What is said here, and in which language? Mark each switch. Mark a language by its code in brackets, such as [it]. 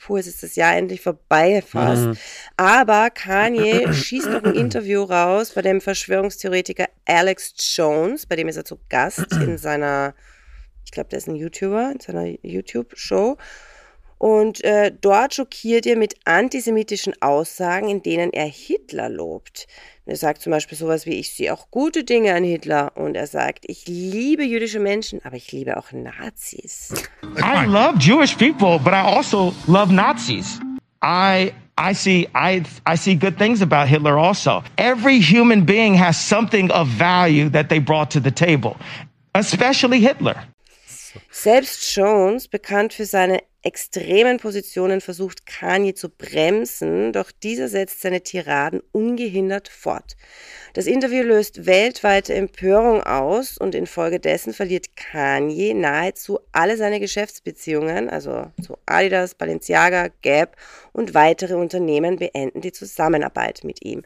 [de] Puh, es ist das Jahr endlich vorbei fast. Aber Kanye schießt noch ein Interview raus bei dem Verschwörungstheoretiker Alex Jones, bei dem ist er zu Gast in seiner, ich glaube, der ist ein YouTuber, in seiner YouTube-Show. Und dort schockiert er mit antisemitischen Aussagen, in denen er Hitler lobt. Er sagt zum Beispiel sowas wie, ich sehe auch gute Dinge an Hitler. Und er sagt, ich liebe jüdische Menschen, aber ich liebe auch Nazis. [en] I love Jewish people, but I also love Nazis. I see good things about Hitler also. Every human being has something of value that they brought to the table. Especially Hitler. [de] Selbst Jones, bekannt für seine extremen Positionen, versucht Kanye zu bremsen, doch dieser setzt seine Tiraden ungehindert fort. Das Interview löst weltweite Empörung aus und infolgedessen verliert Kanye nahezu alle seine Geschäftsbeziehungen, also zu Adidas, Balenciaga, Gap und weitere Unternehmen beenden die Zusammenarbeit mit ihm.